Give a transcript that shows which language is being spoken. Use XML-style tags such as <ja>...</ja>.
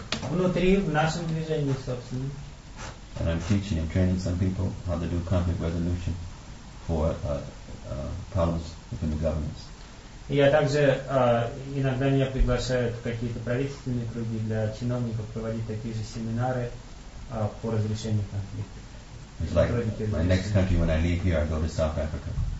<ru>Внутри, в нашем движении, собственно.</ru> <en>And I'm teaching and training some people how to do conflict resolution for problems within the governments.</en> <ru>Я также иногда меня приглашают в какие-то правительственные круги для чиновников проводить такие же семинары по разрешению конфликтов.</ru> <en>It's like my next country when I leave here, I go to South Africa.</en>